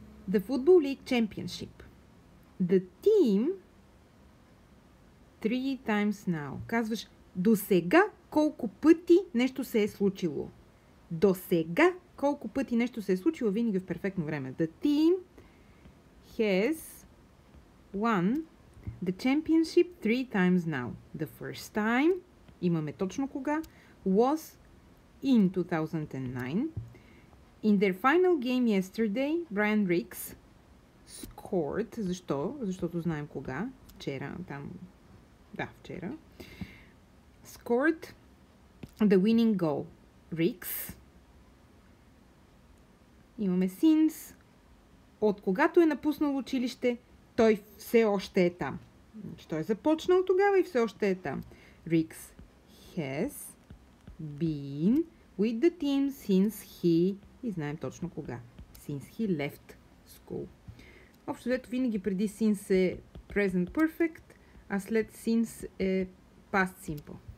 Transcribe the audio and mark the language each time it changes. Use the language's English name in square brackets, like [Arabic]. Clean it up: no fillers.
[English] The Football League Championship. The team three times now. [Bulgarian] Казваш до сега колко пъти нещо се е случило. До сега колко пъти нещо се е случило винаги в перфектно време. [English] The team has won the championship three times now. The first time, [Bulgarian] имаме точно кога, [English] was in 2009. In their final game yesterday, Brian Riggs scored. [Bulgarian] Защо? Защото знаем кога. Вчера, там. Да, вчера. [English] Scored the winning goal. Riggs. [Bulgarian] Имаме since. От когато е напуснал училище, той все още е там. Значи той е започнал тогава и все още е там. [English] Riggs has been with the team since he... [Bulgarian] И знаем точно кога. [English] Since he left school. [Bulgarian] Общо взето винаги преди since е present perfect, а след since е past simple.